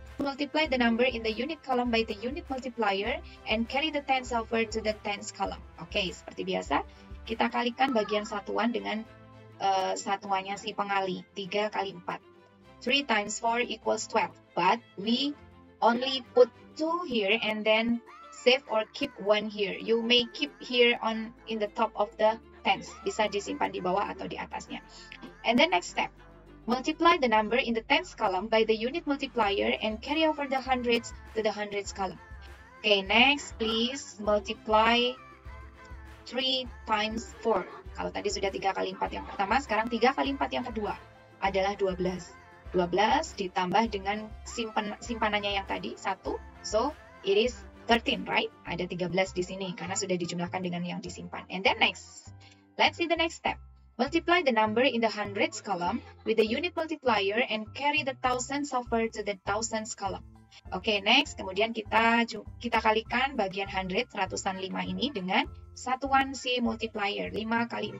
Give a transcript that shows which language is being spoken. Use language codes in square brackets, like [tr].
[en] Multiply the number in the unit column by the unit multiplier and carry the tens over to the tens column. [id] Okay, seperti biasa, kita kalikan bagian satuan dengan satuannya si pengali. 3 kali 4. [en] 3 times 4 equals 12. But we only put 2 here and then save or keep one here. You may keep here on in the top of the tens. [id] Bisa disimpan di bawah atau di atasnya. [en] And then next step. Multiply the number in the tens column by the unit multiplier and carry over the hundreds to the hundreds column. Okay, next please multiply 3 times 4. [id] Kalau tadi sudah 3 kali 4 yang pertama, sekarang 3 kali 4 yang kedua adalah 12. 12 ditambah dengan simpanannya yang tadi, 1. [en] So, it is 13, right? [id] Ada 13 di sini karena sudah dijumlahkan dengan yang disimpan. [en] And then next, let's see the next step. Multiply the number in the hundreds column with the unit multiplier and carry the thousands over to the thousands column. [id] Okay, next, kemudian kita kalikan bagian hundred, ratusan 5 ini dengan satuan si multiplier, 5 kali 4.